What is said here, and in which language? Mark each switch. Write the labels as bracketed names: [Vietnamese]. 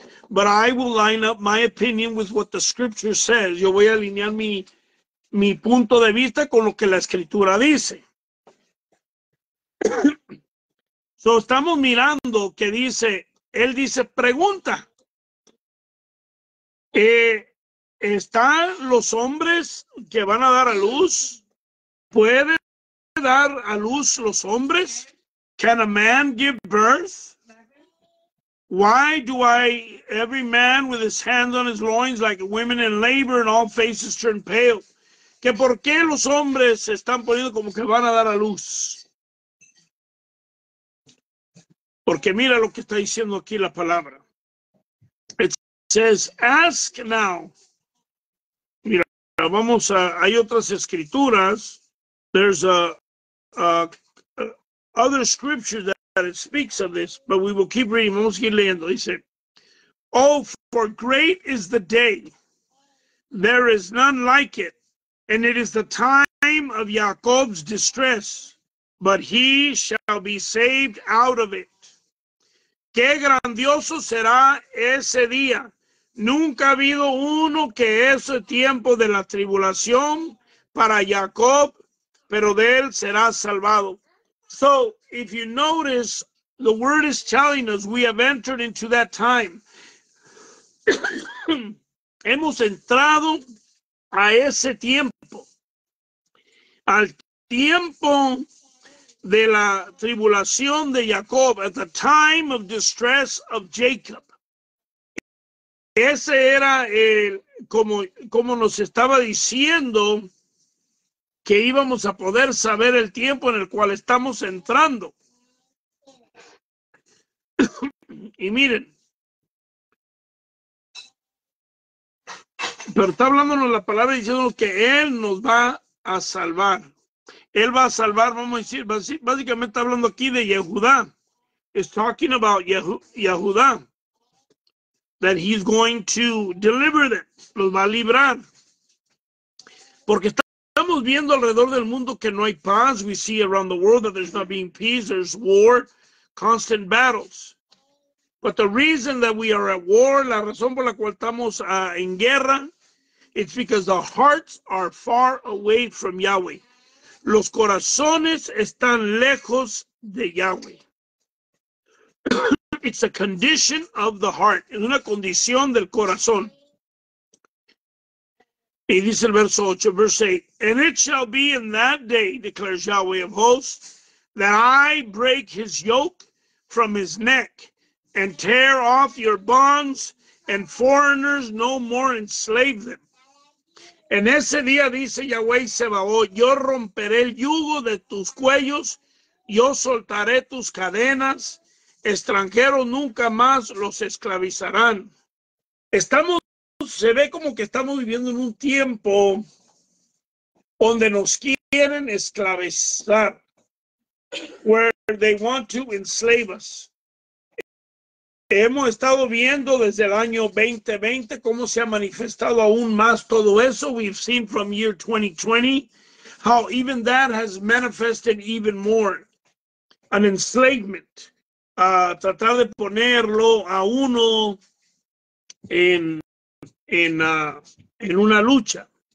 [English] But I will line up my opinion with what the scripture says. [Spanish] Yo voy a alinear mi punto de vista con lo que la escritura dice. So estamos mirando que dice, él dice, pregunta. ¿Están los hombres que van a dar a luz? ¿Puede dar a luz los hombres? [English] Can a man give birth? Why do I, every man with his hands on his loins, like women in labor and all faces turn pale? [Spanish] ¿Que por qué los hombres se están poniendo como que van a dar a luz? Porque mira lo que está diciendo aquí la palabra. [English] It says, ask now. [Spanish] Mira, vamos a, hay otras escrituras. [English] There's other scriptures that it speaks of this, but we will keep reading. [Spanish] Vamos a seguir leyendo. [English] Dice, oh, for great is the day. There is none like it. And it is the time of Jacob's distress, but he shall be saved out of it. [Spanish] Qué grandioso será ese día. Nunca ha habido uno que ese tiempo de la tribulación para Jacob, pero de él será salvado. [English] So, if you notice, the word is telling us we have entered into that time. [Spanish] Hemos entrado a ese tiempo. Al tiempo de la tribulación de Jacob, [English] at the time of distress of Jacob. [Spanish] Ese era el, como nos estaba diciendo que íbamos a poder saber el tiempo en el cual estamos entrando. Y miren, pero está hablándonos la palabra diciendo que él nos va a salvar. Él va a salvar, vamos a decir, básicamente está hablando aquí de Yehudá. [English] It's talking about Yehudá. That he's going to deliver them. [Spanish] Los va a librar. Porque estamos viendo alrededor del mundo que no hay paz. [English] We see around the world that there's not being peace. There's war, constant battles. But the reason that we are at war, [Spanish] la razón por la cual estamos en guerra, [English] it's because the hearts are far away from Yahweh. [Spanish] Los corazones están lejos de Yahweh. [English] It's a condition of the heart. [Spanish] Es una condición del corazón. Y dice el verso 8, [English] verse 8. And it shall be in that day, declares Yahweh of hosts, that I break his yoke from his neck and tear off your bonds, and foreigners no more enslave them. [Spanish] En ese día, dice Yahweh Sebaoth, yo romperé el yugo de tus cuellos, yo soltaré tus cadenas, extranjeros nunca más los esclavizarán. Se ve como que estamos viviendo en un tiempo donde nos quieren esclavizar. [English] Where they want to enslave us. [Spanish] Hemos estado viendo desde el año 2020 cómo se ha manifestado aún más todo eso. [English] We've seen from year 2020 how even that has manifested even more. An enslavement. [Spanish] Tratar de ponerlo a uno en una lucha.